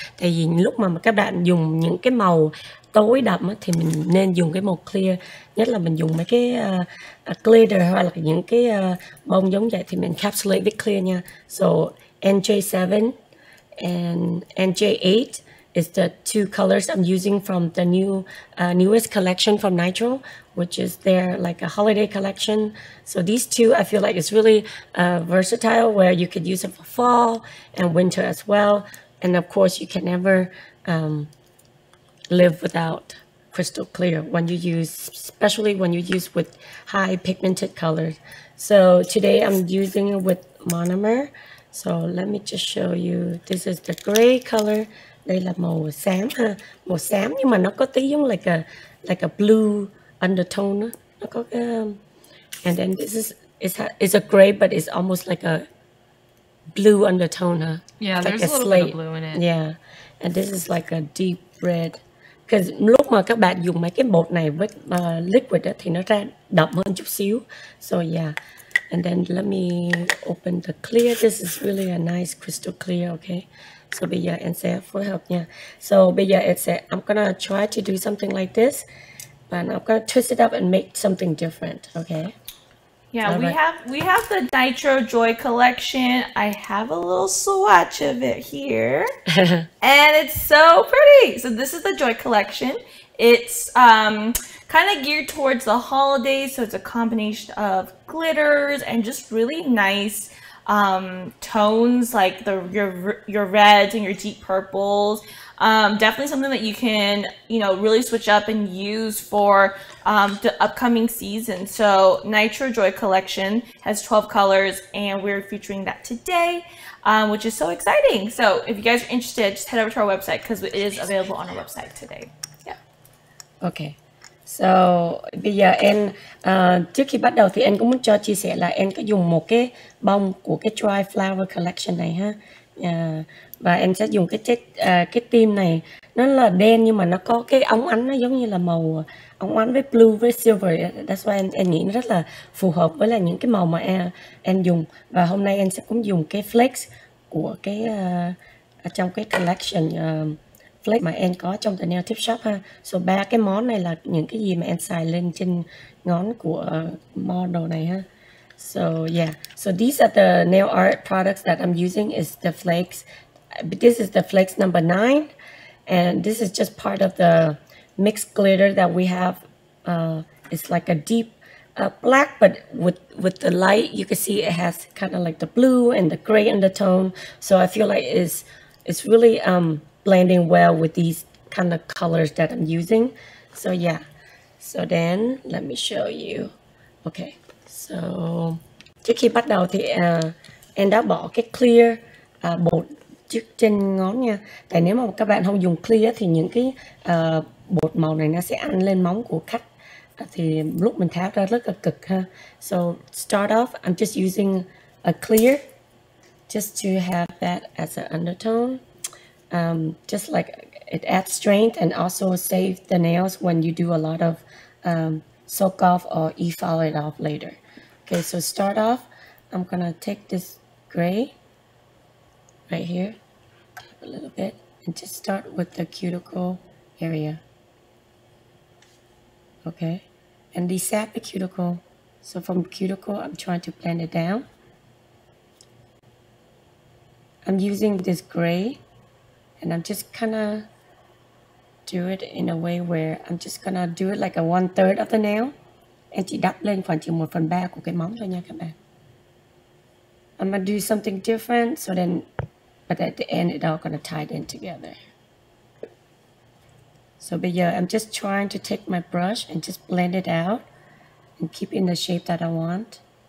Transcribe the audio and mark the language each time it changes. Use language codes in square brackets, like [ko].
[vi] Tại vì lúc mà các bạn dùng những cái màu tối đậm á, thì mình nên dùng cái màu clear. Nhất là mình dùng mấy cái glitter hoặc là những cái bông giống vậy thì mình encapsulate với clear nha. [en] So NJ7 and NJ8 is the two colors I'm using from the new newest collection from Nigel, which is their like a holiday collection. So these two, I feel like it's really versatile, where you could use it for fall and winter as well. And of course, you can never live without crystal clear when you use, especially when you use with high pigmented colors. So today I'm using it with monomer. So let me just show you. This is the gray color. [vi] Đây là màu xám ha, màu xám nhưng mà nó có tí giống [en] like a blue undertone. [vi] Nó có [en] and then this is it's a gray, but it's almost like a blue undertone, huh? Yeah, there's like a little slate. Bit of blue in it. Yeah, and this is like a deep red. Because [vi] lúc mà các bạn dùng mấy cái bột này với liquid thì nó ra đậm hơn chút xíu. [en] So yeah, and then let me open the clear. This is really a nice crystal clear. Okay. So [vi] bây giờ em sẽ phối hợp nha. So bây giờ em sẽ, [en] I'm gonna try to do something like this, but I'm gonna twist it up and make something different. Okay. Yeah, all we have the Nitro Joy collection. I have a little swatch of it here, and it's so pretty. So this is the Joy collection. It's kind of geared towards the holidays, so it's a combination of glitters and just really nice tones, like your reds and your deep purples. Definitely something that you can, you know, really switch up and use for the upcoming season. So Nitro Joy collection has 12 colors, and we're featuring that today, which is so exciting. So if you guys are interested, just head over to our website, because it is available on our website today. Yeah. Okay. [vi] So bây giờ em trước khi bắt đầu thì em cũng muốn cho chia sẻ là em có dùng một cái bông của cái Dry Flower collection này ha. Và em sẽ dùng cái tim này, nó là đen nhưng mà nó có cái ống ánh, nó giống như là màu ống ánh với blue với silver. [en] That's why [vi] em nghĩ nó rất là phù hợp với là những cái màu mà em dùng. Và hôm nay em sẽ cũng dùng cái flakes của cái trong cái collection flakes mà em có trong [en] the nail tip shop [vi] ha. [en] So [vi] ba cái món này là những cái gì mà em xài lên trên ngón của model này ha. [en] So yeah, so these are the nail art products that I'm using, is the flakes. This is the flakes number 9, and this is just part of the mixed glitter that we have. It's like a deep black, but with the light, you can see it has kind of like the blue and the gray undertone. So I feel like it's really blending well with these kind of colors that I'm using. So yeah, so then let me show you. Okay, so [vi] trước khi bắt đầu thì em đã bỏ cái clear bột trên ngón nha. Tại nếu mà các bạn không dùng clear thì những cái bột màu này nó sẽ ăn lên móng của khách, thì lúc mình tháo ra rất là cực ha. [en] So start off, I'm just using a clear just to have that as an undertone. Just like it adds strength and also save the nails when you do a lot of soak off or e-file it off later. Okay, so start off, I'm gonna take this gray right here a little bit and just start with the cuticle area. Okay, and the sappy cuticle. So from cuticle, I'm trying to blend it down. I'm using this gray, and I'm just kinda do it in a way where I'm just gonna do it like a 1/3 of the nail. And [vi] chỉ đắp lên khoảng chừng 1/3 của cái móng thôi nha các bạn. [en] I'm gonna do something different, so then, but at the end, it all gonna tie it in together. [vi] So bây giờ, [en] I'm just trying to take my brush and just blend it out and keep in the shape that I want.